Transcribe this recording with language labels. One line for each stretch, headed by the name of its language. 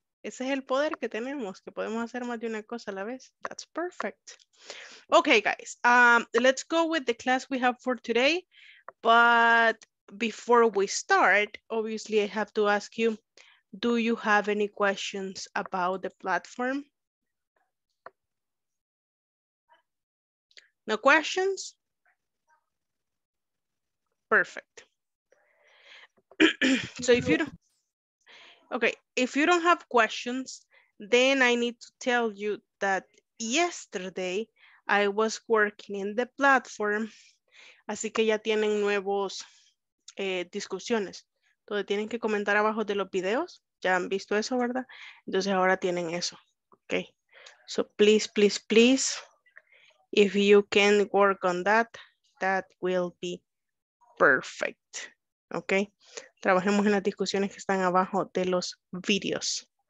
Spanish: Ese es el poder que tenemos, que podemos hacer más de una cosa a la vez.
English: That's perfect. Okay, guys. Let's go with the class we have for today. But before we start, obviously I have to ask you, do you have any questions about the platform? No questions? Perfect. So if you don't, okay, if you don't have questions, then I need to tell you that yesterday I was working in the platform,
Spanish: así que ya tienen nuevos discusiones, donde tienen que comentar abajo de los videos, ya han visto eso, ¿verdad? Entonces ahora tienen eso, okay.
English: So please, please, please, if you can work on that, that will be perfect, okay.
Spanish: Trabajemos en las discusiones que están abajo de los videos.